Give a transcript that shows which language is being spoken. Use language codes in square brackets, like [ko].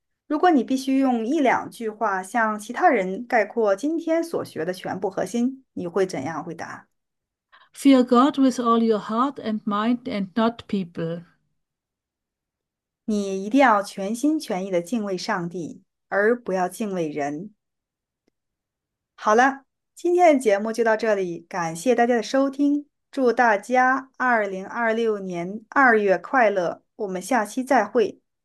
[zh] 如果你必须用一两句话向其他人概括今天所学的全部核心，你会怎样回答？ [en] Fear God with all your heart and mind and not people. [zh] 你一定要全心全意的敬畏上帝，而不要敬畏人。好了，今天的节目就到这里，感谢大家的收听，祝大家2026年2月快乐，我们下期再会。